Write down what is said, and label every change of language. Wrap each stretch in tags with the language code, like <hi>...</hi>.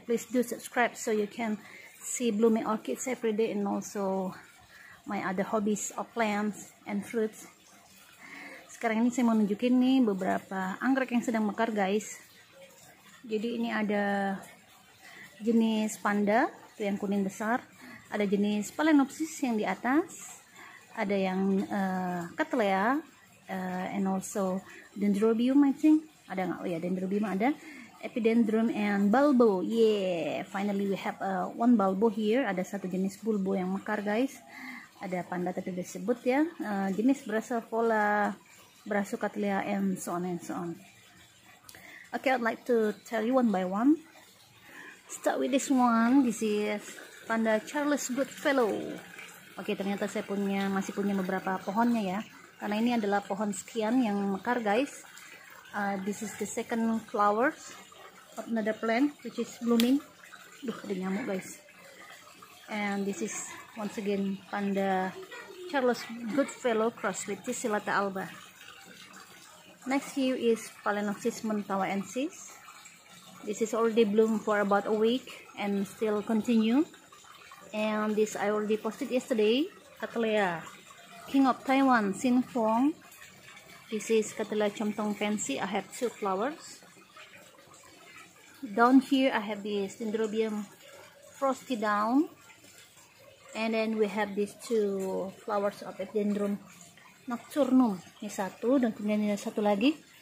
<en>Please do subscribe so you can see blooming orchids every day and also my other hobbies of plants and fruits.</en> <id>Sekarang ini saya mau nunjukin nih beberapa anggrek yang sedang mekar, guys. Jadi ini ada jenis panda tuh yang kuning besar, ada jenis Phalaenopsis yang di atas, ada yang Cattleya and also Dendrobium, I think. Ada nggak? Oh ya, Dendrobium ada.</id> <en>Epidendrum and Bulbo. Yeah, finally we have one Bulbo here.</en> <id>Ada satu jenis Bulbo yang mekar, guys. Ada panda tadi disebut ya. Jenis Brassavola, Brassucatlia and so on and so on.</id> <en>Okay, I'd like to tell you one by one. Start with this one. This is panda Charles Goodfellow.</en> <id>Okay, ternyata saya punya masih punya beberapa pohonnya ya. Karena ini adalah pohon sekian yang mekar, guys.</id> <en>This is the second flowers of another plant which is blooming. Duh, ada nyamuk, guys. And this is once again panda Charles Goodfellow cross with Tisilata alba. Next here is Phalaenopsis mentawaensis. This is already bloomed for about a week and still continue. And this I already posted yesterday, Cattleya King of Taiwan Sin Fong. This is Cattleya Chomtong Fancy. I have two flowers. Down here I have this Dendrobium Frosty Down. And then we have these two flowers of Epidendrum Nocturnum.</en> <id>Ini satu dan kemudian ini satu lagi.</id>